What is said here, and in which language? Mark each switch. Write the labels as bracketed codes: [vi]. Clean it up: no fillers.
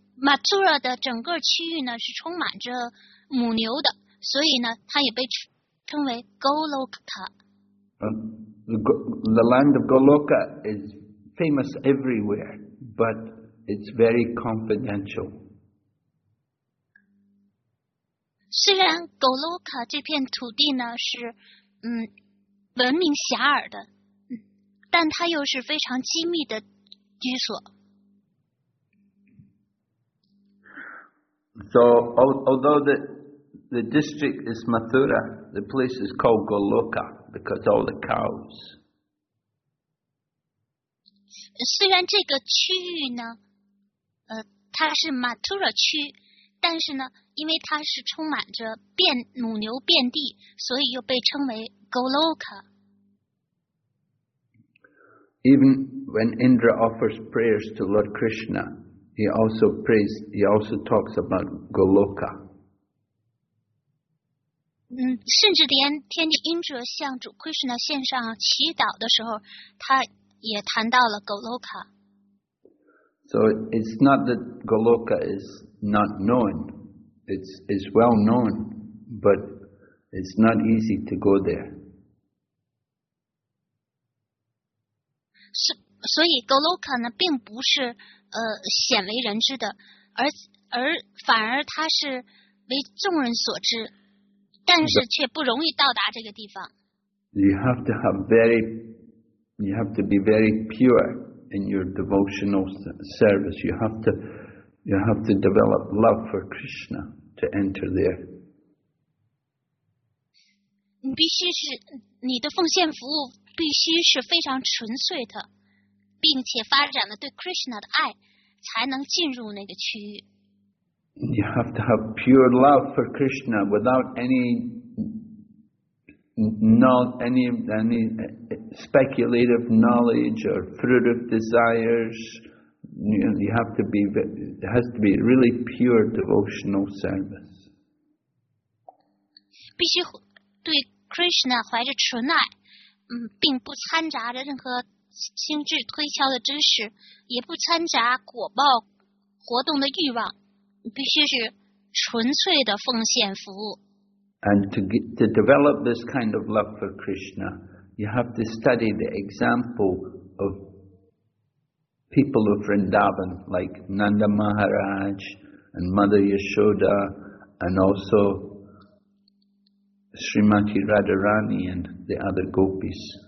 [zh] Mathura 的整个区域呢是充满着母牛的，所以呢它也被称为 Goloka。 [en] The land of Goloka is famous everywhere, but it's very confidential. [zh] 虽然 Goloka 这片土地呢是闻名遐迩的，但它又是非常机密的居所。 [en] So although the district is Mathura, the place is called Goloka because all the cows. [zh] 虽然这个区域呢，它是 Mathura 区，但是呢，因为它是充满着母牛遍地，所以又被称为 Goloka。 [en] Even when Indra offers prayers to Lord Krishna, he also talks about Goloka. [zh] 甚至连天帝 Indra 向主 Krishna 献上祈祷的时候，他也谈到了 Goloka。 [en] So it's not that Goloka is not known; it's well known, but it's not easy to go there. [zh] 所以 Goloka 呢并不是鲜为人知的，而反而它是为众人所知，但是却不容易到达这个地方。 [en] You have to be very pure in your devotional service. You have to develop love for Krishna to enter there. [zh] 你的奉献服务必须是非常纯粹的。并且发展了对 Krishna 的爱，才能进入那个区域。 [en] You have to have pure love for Krishna without any speculative knowledge or fruit of desires. You have to be, it has to be really pure devotional service. [zh] 必须对 Krishna 怀着纯爱，并不掺杂着任何心智推敲的知识，也不掺杂果报活动的欲望，必须是纯粹的奉献服务。 [en] And to develop this kind of love for Krishna, you have to study the example of people of Vrindavan, like Nanda Maharaj and Mother Yashoda, and also Srimati Radharani and the other gopis.